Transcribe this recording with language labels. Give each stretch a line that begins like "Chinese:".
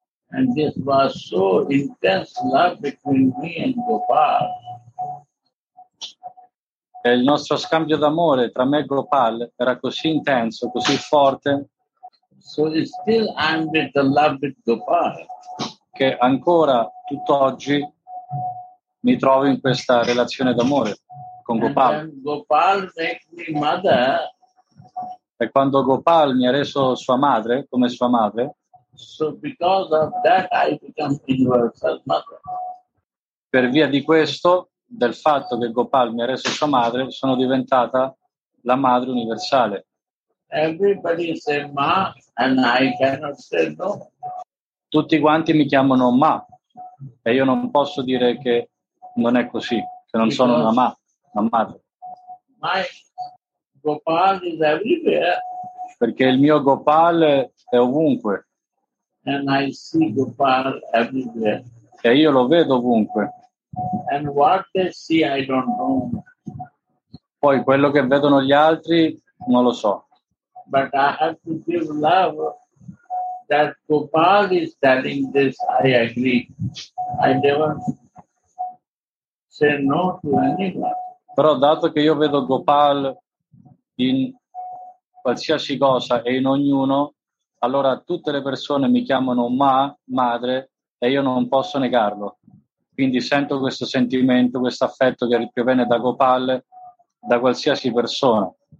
English: And this was so intense love between me and Gopal.
Italian: E il nostro scambio d'amore tra me e Gopal era così intenso, così forte.
English: So still I'm with the love with Gopal.
Italian: che ancora tutt'oggi mi trovo in questa relazione d'amore con Gopal.
English: Gopal made me mother.
Italian: E quando Gopal mi ha reso sua madre, come sua madre,
English: so because of that I become universal mother.
Italian: Per via di questo, del fatto che Gopal mi ha reso sua madre, sono diventata la madre universale.
English: Everybody say ma and I cannot say no.
Italian: Tutti quanti mi chiamano ma e io non posso dire che non è così, che non
English: because
Italian: sono una ma, una madre.
English: My Gopal is everywhere.
Italian: Perché il mio Gopal è ovunque.
English: And I see Gopal everywhere.
Italian: E io lo vedo ovunque.
English: And what they see, I don't know.
Italian: Poi quello che vedono gli altri non lo so.
English: But I have to give love that Gopal is telling this, I agree. I never say no to anyone.
Italian: Però dato che io vedo Gopal in qualsiasi cosa e in ognuno, allora tutte le persone mi chiamano ma, madre, e io non posso negarlo. Quindi sento questo sentimento, questo affetto che proviene da Gopal, da qualsiasi persona.